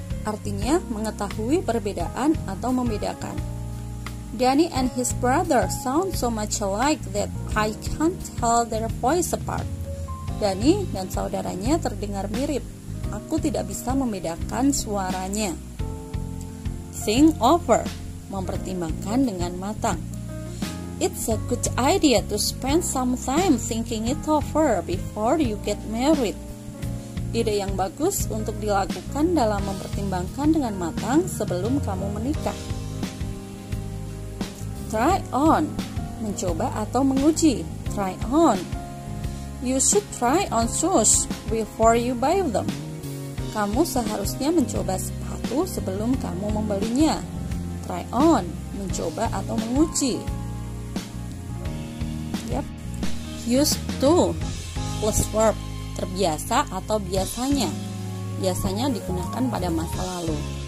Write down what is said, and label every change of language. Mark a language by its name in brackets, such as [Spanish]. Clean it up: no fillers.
[Indonesian] artinya mengetahui perbedaan atau membedakan. [English] Danny and his brother sound so much alike that I can't tell their voice apart. [Indonesian] Danny dan saudaranya terdengar mirip. Aku tidak bisa membedakan suaranya. [English] Think over, [Indonesian] mempertimbangkan dengan matang. [English] It's a good idea to spend some time thinking it over before you get married. [Indonesian] Ide yang bagus untuk dilakukan dalam mempertimbangkan dengan matang sebelum kamu menikah. [English] Try on, [Indonesian] mencoba atau menguji. [English] Try on. You should try on shoes before you buy them. [Indonesian] Kamu seharusnya mencoba sepatu sebelum kamu membelinya. [English] Try on, [Indonesian] mencoba atau menguji. [English] Yep. Used to plus verb, [Indonesian] terbiasa atau biasanya. Biasanya digunakan pada masa lalu.